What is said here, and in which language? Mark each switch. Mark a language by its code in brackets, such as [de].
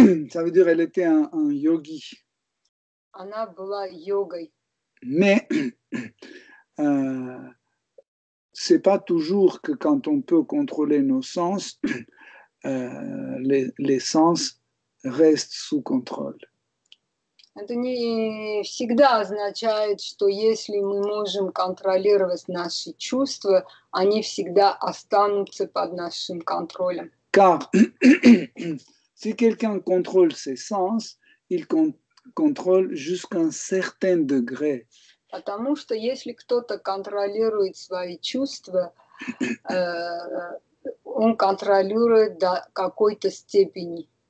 [fr] Ça veut dire elle était un yogi. [ru] Она была йогой. [fr] Mais c'est pas toujours que quand on peut contrôler nos sens, les sens restent sous contrôle. [ru] Это не всегда означает, что если мы можем контролировать наши чувства, они всегда останутся под нашим контролем. [fr] Car si quelqu'un contrôle ses sens, il contrôle jusqu'à un certain degré. [ru] Потому что если кто-то контролирует свои чувства, он контролирует до какой-то степени.